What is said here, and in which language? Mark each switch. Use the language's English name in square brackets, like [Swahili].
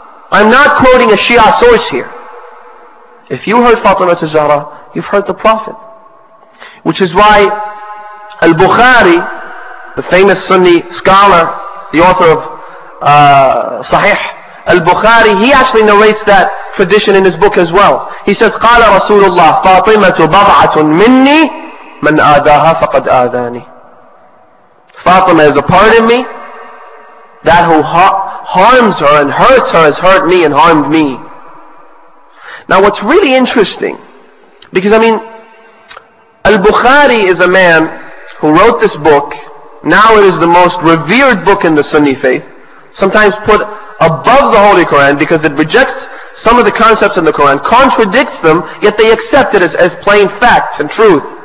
[English] I'm not quoting a Shia source here. If you hurt Fatima al-Zahra, you've hurt the Prophet. Which is why Al-Bukhari, the famous Sunni scholar, the author of Sahih Al-Bukhari, he actually narrates that tradition in his book as well. He says, [Arabic] قَالَ رَسُولُ اللَّهِ فَاطِمَةُ بَضْعَةٌ مِنِّي مَنْ آذَاهَا فَقَدْ آذَانِي. [English] Fatima is a part of me. That who harms her and hurts her has hurt me and harmed me. Now what's really interesting, because I mean, Al-Bukhari is a man who wrote this book. Now it is the most revered book in the Sunni faith, sometimes put above the Holy Quran because it rejects some of the concepts in the Quran, contradicts them, yet they accept it as plain fact and truth.